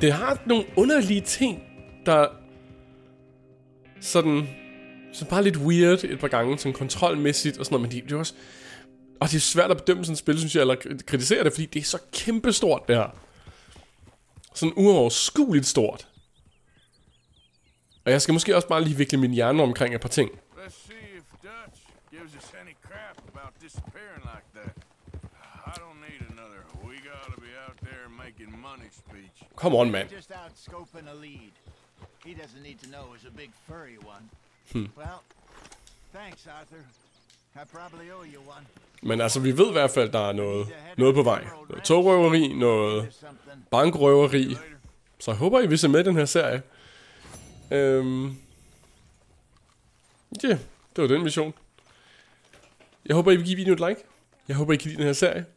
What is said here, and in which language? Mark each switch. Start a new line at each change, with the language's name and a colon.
Danish: Det har nogle underlige ting, der sådan så bare lidt weird et par gange, sådan kontrolmæssigt og sådan noget, men det er også... Og det er svært at bedømme sådan et spil, synes jeg, eller kritisere det, fordi det er så kæmpestort, det her. Sådan uoverskueligt stort. Og jeg skal måske også bare lige vikle min hjerne omkring et par ting.
English: Let's see if Dutch gives us any crap about disappearing like that. I don't need another. We gotta be out there making money speech. Come on, man. Just out scoping a lead. He doesn't need to know it's a big furry one. Well, thanks, Arthur. I probably owe you one.
Danish: Men altså, vi ved i hvert fald, der er noget på vej. Noget togrøveri, noget bankrøveri. Så jeg håber, I vil se med i den her serie. Det var den mission. Jeg håber, I vil give videoen et like. Jeg håber, I kan lide den her serie.